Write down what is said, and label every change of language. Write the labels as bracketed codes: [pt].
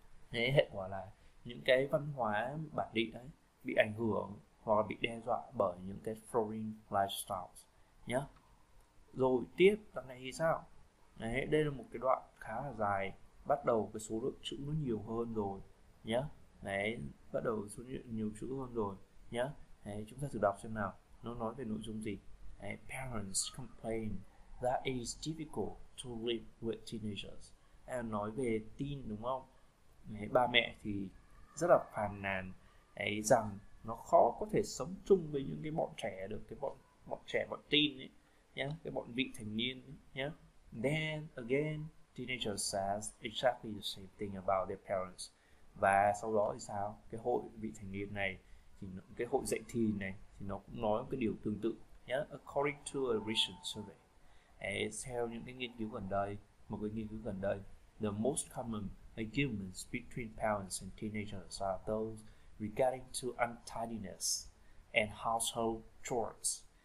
[vi] Thế hệ quả là những cái văn hóa bản địa đấy bị ảnh hưởng hoặc bị đe dọa bởi những cái [en] foreign lifestyles [vi] nhé. Rồi tiếp đoạn này thì sao, đấy, đây là một cái đoạn khá là dài, bắt đầu cái số lượng chữ nó nhiều hơn rồi nhé. Đấy, bắt đầu số lượng nhiều chữ hơn rồi nhé. Đấy, chúng ta thử đọc xem nào, nó nói về nội dung gì. [en] Đấy, parents complain that it is difficult to live with teenagers. [vi] Em nói về teen đúng không? Đấy, ba mẹ thì rất là phàn nàn ấy rằng nó khó có thể sống chung với những cái bọn trẻ được, cái bọn bọn trẻ bọn teen ấy nhá, cái bọn vị thành niên ấy nhá. [en] Then again, teenagers says exactly the same thing about their parents. [vi] Và sau đó thì sao? Cái hội vị thành niên này thì cái hội dạy thì này thì nó cũng nói một cái điều tương tự nhá. [en] According to a recent survey, [vi] theo những cái nghiên cứu gần đây, [en] một cái nghiên cứu gần đây, the most common arguments between parents and teenagers are those regarding to untidiness and household chores.